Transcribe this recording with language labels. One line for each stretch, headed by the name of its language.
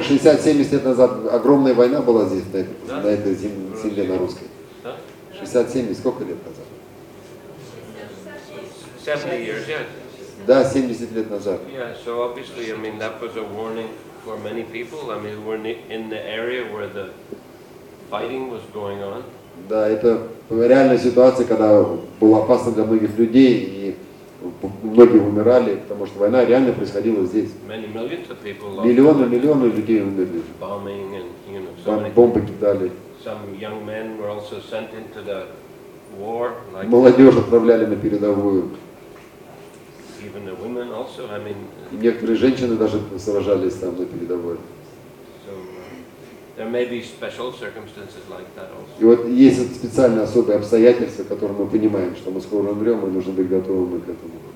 Russian: 60-70 лет назад огромная война была здесь, на этой земле, на русской. 60-70, сколько лет назад?
English: 70 years, yeah.
Russian: Да, 70 лет назад.
English: Yeah, so obviously, I mean, that was a warning for many people. I mean, we're in the area where the fighting was going on.
Russian: Да, это реальная ситуация, когда было опасно для многих людей, и многие умирали, потому что война реально происходила здесь.
English: Many millions of people lost.
Russian: Миллионы, миллионы людей умерли.
English: Bombing and, you know, so many.
Russian: Бомбы кидали.
English: Some young men were also sent into the war. Like
Russian: молодежь отправляли на передовую.
English: Even the women also, I mean.
Russian: И некоторые женщины даже сражались там на передовой.
English: There may be special circumstances like that also.
Russian: И вот есть специальные особые обстоятельства, которые мы понимаем, что мы скоро умрем, и нужно быть готовыми к этому.